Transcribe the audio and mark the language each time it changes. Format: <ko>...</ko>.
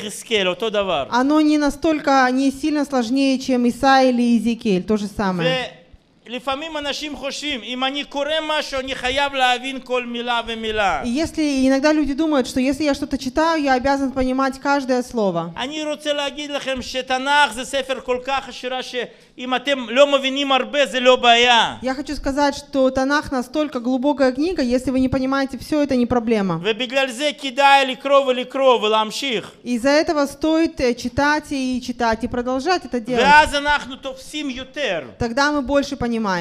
<ru>Оно не настолько, не сильно сложнее, чем Исаия или Иезекииль, то же самое.</ru> <he>לפעמים אנשים חושבים, אם אני קורא משהו, אני חייב להבין כל מילה ומילה.</he> <ru>Если иногда люди думают, что если я что-то читаю, я обязан понимать каждое слово.</ru> <he>אני רוצה להגיד לכם שתנ"ך זה ספר כל כך עשירה שאם אתם לא מבינים הרבה, זה לא בעיה.</he> <ru>Я хочу сказать, что תנ"ך настолько глубокая книга, если вы не понимаете все, это не проблема.</ru> <he>ובגלל זה כדאי לקרוא ולהמשיך.</he> <ru>Из-за этого стоит читать и продолжать это делать.</ru> <he>ואז אנחנו תופסים יותר.</he> <ru>Тогда мы больше понимаем.</ru>